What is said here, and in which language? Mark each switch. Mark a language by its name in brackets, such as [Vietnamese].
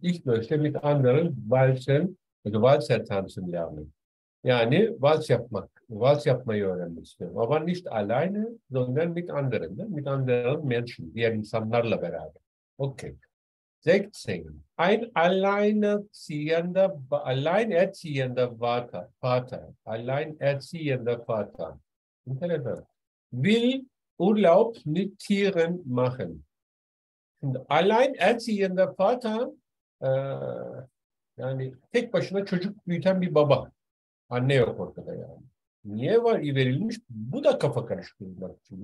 [Turkish] İlk başta bir anların valsen, valser tanısını yani. Yani vals yapmak. Vals yapmayı öğrenmek istiyorum. [German] Aber nicht alleine, sondern mit anderen. Mit anderen Menschen. [Turkish] Diğer insanlarla beraber. [German] Okay. 16. Ein alleinerziehender Vater. Alleinerziehender Vater. Interessant. Will Urlaub mit Tieren machen. Alleinerziehender Vater, [Turkish] yani tek başına çocuk büyüten bir baba. Anne yok ortada yani. Niye var verilmiş? Bu da kafa karıştırmak için.